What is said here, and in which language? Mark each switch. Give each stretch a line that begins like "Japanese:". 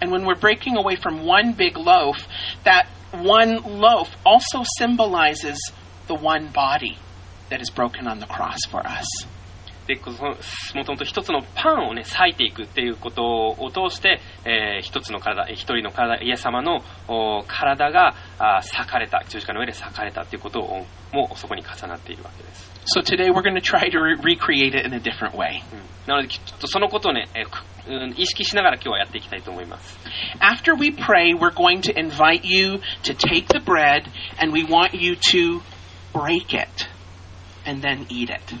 English: And when we're breaking away from one big loaf, that one loaf also symbolizes the one body that is broken on the cross for us.
Japanese: で、もともと一つのパンをね、裂いていくっていうことを通して、一つの体、一人の体、イエス様の体が裂かれた、十字架の上で裂かれたっていうことをもうそこに重なっているわけです。
English: So today we're going to try to recreate it in a different way.
Japanese: なのでちょっとそのことをね、意識しながら今日はやっていきたいと思います。
English: After we pray, we're going to invite you to take the bread and we want you to break it and then eat it.